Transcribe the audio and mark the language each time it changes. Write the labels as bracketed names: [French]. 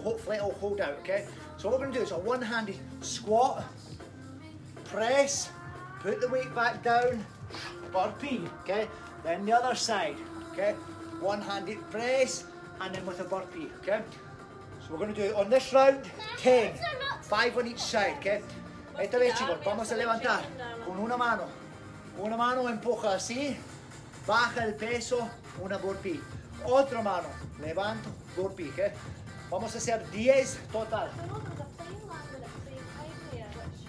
[English] Hopefully it'll hold out, okay? So what we're going to do is a one-handed squat, press, put the weight back down, burpee, okay? Then the other side, okay? One-handed press, and then with a burpee, okay? So we're going to do it on this round, 10. 5 on each side, okay? [Spanish] Esta vez, chicos, vamos a levantar con una mano. Una mano empuja así, baja el peso, una burpee. Otra mano, levanto, burpee, okay? Vamos a hacer 10 total. [English] I know there's a plane landing at the same time here.